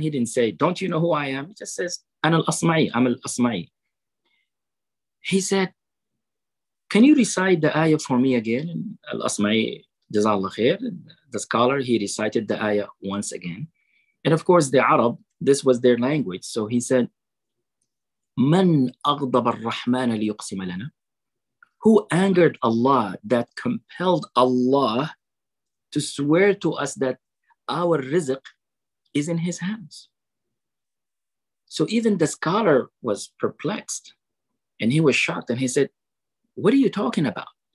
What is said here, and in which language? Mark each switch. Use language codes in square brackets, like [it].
[en] He didn't say, don't you know who I am? He just says, [ar] أَنَا الْأَصْمَعِي, [en] I'm الْأَصْمَعِي. He said, can you recite the ayah for me again? And Al-Asma'i, jazallah khair, the scholar, he recited the ayah once again. And of course, the Arab, this was their language. So he said, [ar] من أغضب الرحمن ليقسم لنا? [en] Who angered Allah, that compelled Allah to swear to us that our rizq is in his hands? So even the scholar was perplexed. And he was shocked and he said, what are you talking about?